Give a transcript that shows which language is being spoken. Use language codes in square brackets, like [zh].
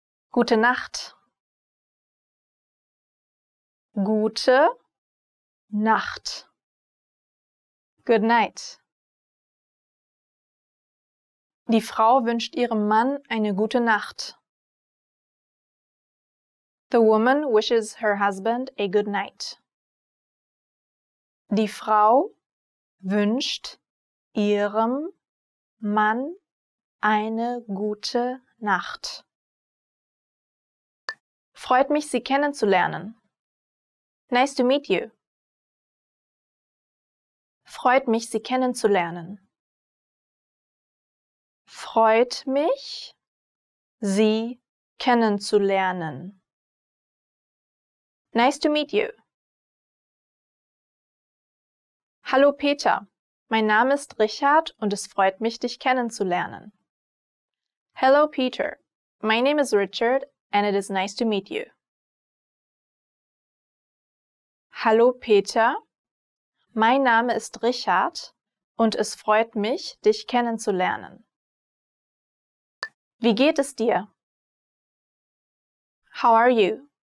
[de] Gute Nacht. Gute Nacht. [en] Good night. [de] Die Frau wünscht ihrem Mann eine gute Nacht. [en] The woman wishes her husband a good night. [de] Die Frau wünscht ihrem Mann eine gute Nacht. Freut mich, Sie kennenzulernen. [en] Nice to meet you. [de] Freut mich, Sie kennenzulernen. Freut mich, Sie kennenzulernen. [en] Nice to meet you. [de] Hallo Peter, mein Name ist Richard und es freut mich, dich kennenzulernen. [en] Hello Peter, my name is Richard and it is nice to meet you. [de] Hallo Peter, mein Name ist Richard und es freut mich, dich kennenzulernen. Wie geht es dir? [en] How are you?